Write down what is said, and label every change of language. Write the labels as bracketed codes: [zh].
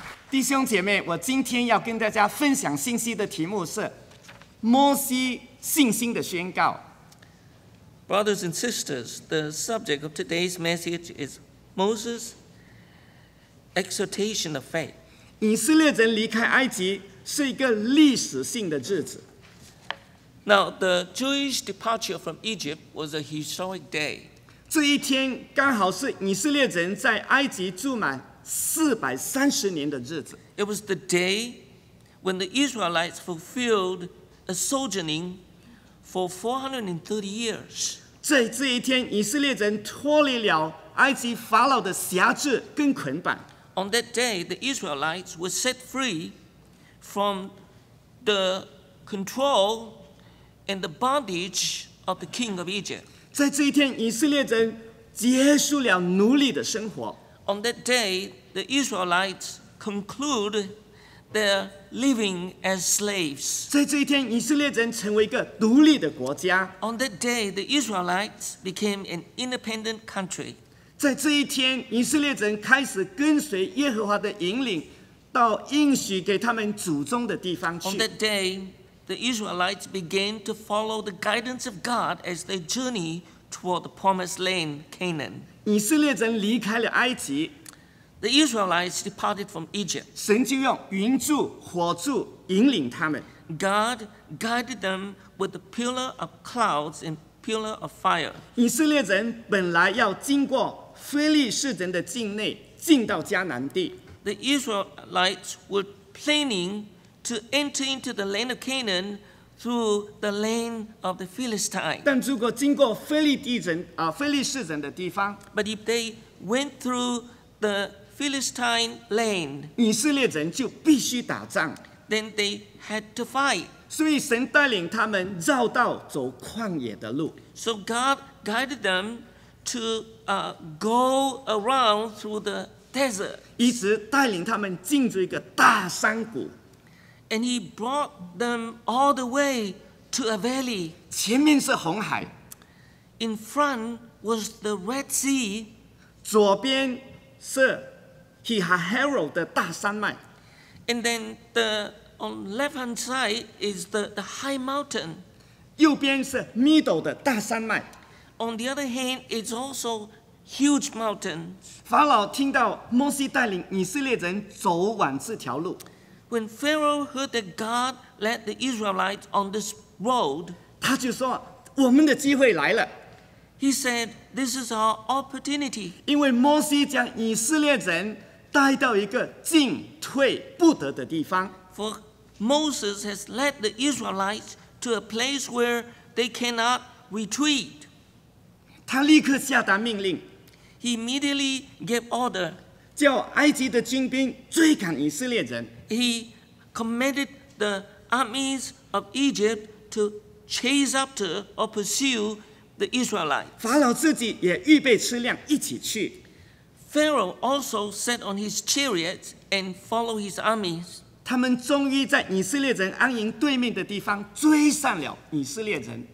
[zh] 弟兄姐妹，我今天要跟大家分享信息的题目是摩西信心的宣告。 [en] Brothers and sisters, the subject of today's message is Moses' exhortation of faith. [zh] 以色列人离开埃及是一个历史性的日子。 [en] Now, the Jewish departure from Egypt was a historic day. [zh] 这一天刚好是以色列人在埃及住满430年的日子。 [en] It was the day when the Israelites fulfilled a sojourning for 430 years. [zh] 在这一天，以色列人脱离了埃及法老的辖制跟捆绑。 [en] On that day, the Israelites were set free from the control and the bondage of the king of Egypt. [zh] 在这一天，以色列人结束了奴隶的生活。 [en] On that day, the Israelites conclude their living as slaves. [zh] 在这一天，以色列人成为一个独立的国家。 [en] On that day, the Israelites became an independent country. [zh] 在这一天，以色列人开始跟随耶和华的引领，到应许给他们祖宗的地方去。 [en] On that day, the Israelites began to follow the guidance of God as they journey toward the promised land, Canaan. [zh] 以色列人离开了埃及。 [en] The Israelites departed from Egypt. [zh] 神就用云柱、火柱引领他们。 [en] God guided them with the pillar of clouds and pillar of fire. [zh] 以色列人本来要经过非利士人的境内，进到迦南地。 [en] The Israelites were planning to enter into the land of Canaan through the land of the Philistines. [zh] 但如果经过非利士人的地方 [en] ，But if they went through the Philistine land, [zh] 以色列人就必须打仗。 [en] Then they had to fight. [zh] 所以神带领他们绕道走旷野的路。 [en] So God guided them to go around through the desert. [zh] 一直带领他们进入一个大山谷。 [en] And he brought them all the way to a valley. [zh] 前面是红海。 [en] In front was the Red Sea. [zh] 左边是He had Herod 的大山脉。 [en] And then the on left hand side is the high mountain. [zh] 右边是 middle 的大山脉。 [en] On the other hand, it's also huge mountain. [zh] 法老听到摩西带领以色列人走往这条路。 [en] When Pharaoh heard that God led the Israelites on this road, [zh] 他就说我们的机会来了。 [en] He said, This is our opportunity. [zh] 因为摩西将以色列人带到一个进退不得的地方。 [en] For Moses has led the Israelites to a place where they cannot retreat. [zh] 他立刻下达命令。 [en] He immediately gave order. [zh] 叫埃及的军兵追赶以色列人。 [en] He commanded the armies of Egypt to chase after or pursue the Israelites. [zh] 法老自己也预备车辆一起去。 [en] Pharaoh also sat on his chariots and followed his armies. [zh] 他们终于在以色列人安营对面的地方追上了以色列人。